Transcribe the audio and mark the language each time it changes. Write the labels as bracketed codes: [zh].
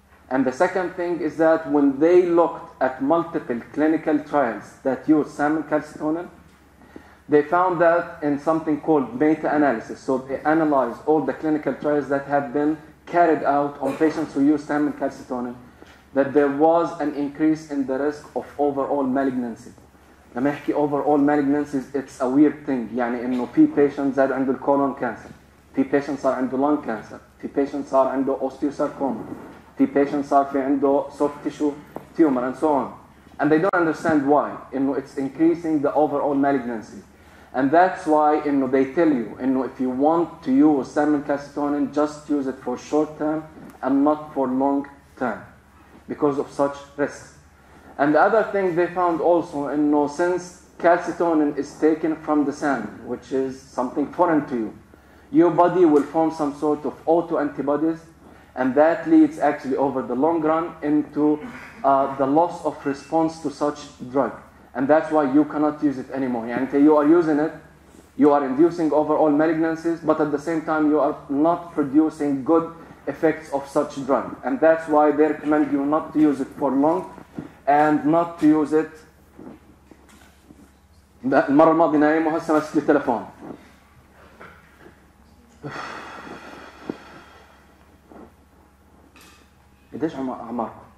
[en] And the second thing is that when they looked at multiple clinical trials that use salmon calcitonin, they found that in something called meta-analysis. So they analyzed all the clinical trials that have been carried out on patients who use salmon calcitonin, that there was an increase in the risk of overall malignancy. [ar] لما يحكي [en] overall malignancies, it's a weird thing. [ar] يعني إنه في patients زاد عنده colon cancer. في patients صار عنده lung cancer. في patients صار عنده osteosarcoma. [en] في patients [ar] صار في عنده [en] soft tissue tumor and so on. And they don't understand why. إنه it's increasing the overall malignancy. And that's why إنه they tell you, إنه if you want to use salmon calcitonin, just use it for short term and not for long term. Because of such risks. And the other thing they found also, in no sense, calcitonin is taken from the sand, which is something foreign to you. Your body will form some sort of autoantibodies, and that leads actually over the long run into the loss of response to such drug. And that's why you cannot use it anymore. And you are using it, you are inducing overall malignancies, but at the same time, you are not producing good effects of such drug. And that's why they recommend you not to use it for long, and not to use it. [ar] المرة الماضية نايم وهسه ماسك التليفون. قديش عمركم؟